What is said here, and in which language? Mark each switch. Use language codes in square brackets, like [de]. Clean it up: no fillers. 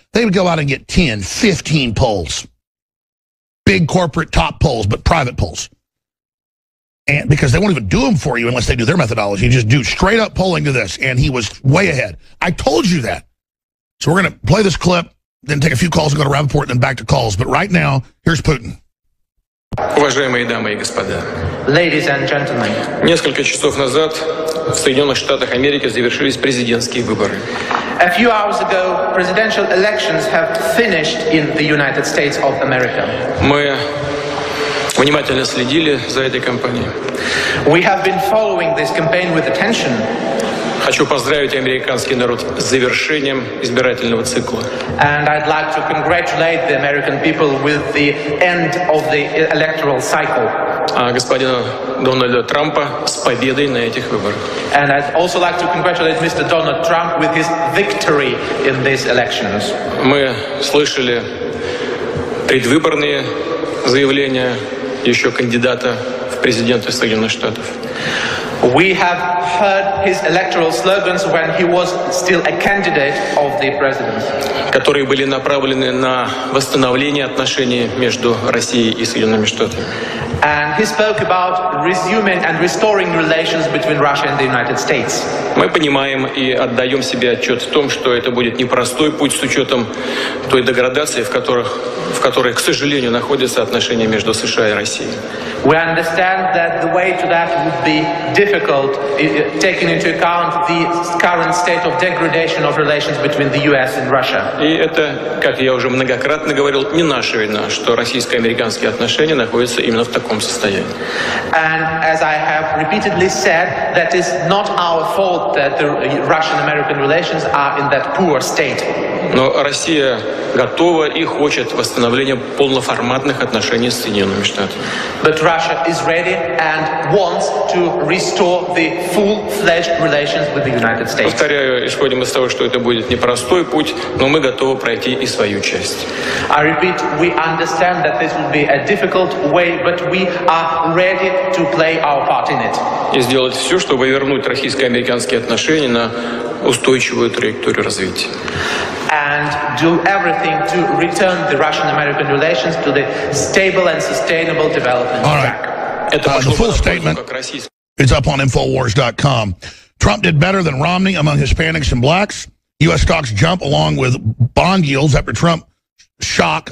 [en] They would go out and get 10, 15 polls. Big corporate top polls, but private polls. And because they won't even do them for you unless they do their methodology. You just do straight up polling to this, and he was way ahead. I told you that. So we're going to play this clip, then take a few calls and go to Rappaport, and then back to calls. But right now, here's Putin. [ru] Уважаемые дамы и господа. [en] Ladies and gentlemen. [ru] Несколько часов назад в Соединенных Штатах Америки завершились президентские выборы. [en] A few hours ago, presidential elections have finished in the United States of America. [ru] Мы внимательно следили за этой кампанией. [en] We have been following this campaign with attention. [ru] Хочу поздравить американский народ с завершением избирательного цикла. [en] And I'd like to congratulate the American people with the end of the electoral cycle. [ru] А господина Дональда Трампа с победой на этих выборах. [en] And I'd also like to congratulate Mr. Donald Trump with his victory in these elections. [ru] Мы слышали предвыборные заявления еще кандидата в президенты Соединенных Штатов. [en] We have heard his electoral slogans when he was still a candidate of the presidency. [ru] Которые были направлены на восстановление отношений между Россией и Соединенными Штатами. [en] And he spoke about resuming and restoring relations between Russia and the United States. [ru] Мы понимаем и отдаем себе отчет в том, что это будет непростой путь с учетом той деградации, в которой, к сожалению, находятся отношения между США и Россией. [en] We understand that the way to that would be difficult, taking into account the current state of degradation of relations between the US and Russia. [ru] И это, как я уже многократно говорил, не наша вина, что российско-американские отношения находятся именно в таком состоянии. [en] And as I have repeatedly said, that is not our fault that the Russian-American relations are in that poor state. [ru] Но Россия готова и хочет восстановления полноформатных отношений с Соединенными Штатами. [en] But Russia is ready and wants to restore the full-fledged relations with the United States. [ru] Повторяю, исходим из того, что это будет непростой путь, но мы готовы пройти и свою часть. [en] I repeat, we understand that this will be a difficult way, but we are ready to play our part in it. [ru] И сделать все, чтобы вернуть российско-американские отношения на устойчивую траекторию развития. [en] And do everything to return the Russian-American relations to the stable and sustainable development track. All right. The full statement is up on Infowars.com. Trump did better than Romney among Hispanics and blacks. U.S. stocks jump along with bond yields after Trump shock.